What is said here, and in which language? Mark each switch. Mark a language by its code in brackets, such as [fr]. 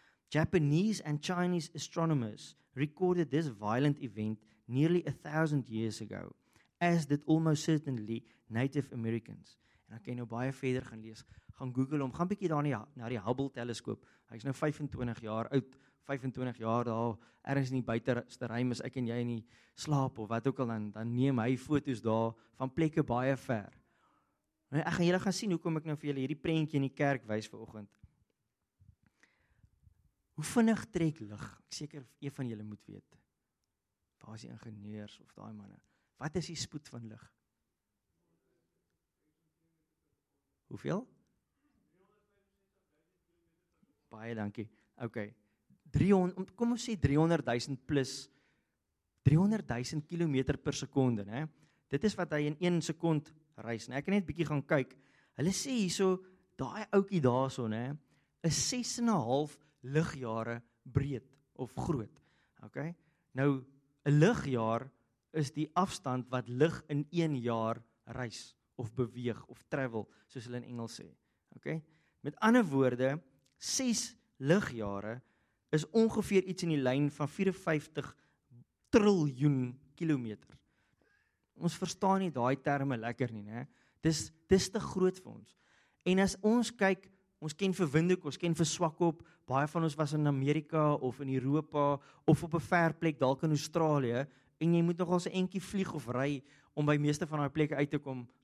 [en] Japanese and Chinese astronomers recorded this violent event nearly 1,000 years ago, as did almost certainly Native Americans. [af] En ek kan nou baie verder gaan lees, gaan Google om, gaan bykie daar na die Hubble teleskoop. Hy is nou 25 jaar oud, 25 jaar daar, ergens in die buiterste ruim is ek en jy in die slaap of wat ook al, dan neem hy foto's daar van plekke baie ver. En ek gaan julle gaan sien, hoekom ek nou vir julle hierdie prentjie in die kerk wys vir oggend. Hoe vinnig trek lig? Ek seker een van julle moet weet. Waar is die ingenieurs of daai manne? Wat is die spoed van lig? Hoeveel? Baie dankie. Ok, 300, kom ons sê 300.000 plus 300.000 kilometer per sekonde. Ne? Dit is wat hy in 1 sekond reis. Ne? Ek kan net bykie gaan kyk. Hulle sê hier so, daai oukie daar so, ne, is 6,5 ligjare breed of groot. Ok, nou, 'n ligjaar is die afstand wat lig in 1 jaar reis. Of beweeg, of travel, soos hulle in Engels sê. Okay? Met ander woorde, 6 ligjare is ongeveer iets in die lyn van 54 triljoen kilometer. Ons verstaan nie daai terme lekker nie. Ne? Dis te groot vir ons. En as ons kyk, ons ken vir Windhoek, ons ken vir Swakop, baie van ons was in Amerika, of in Europa, of op 'n ver plek, dalk in Australië, en jy moet nogal 'n entjie vlieg of ry, om by meeste van die plekke uit te kom.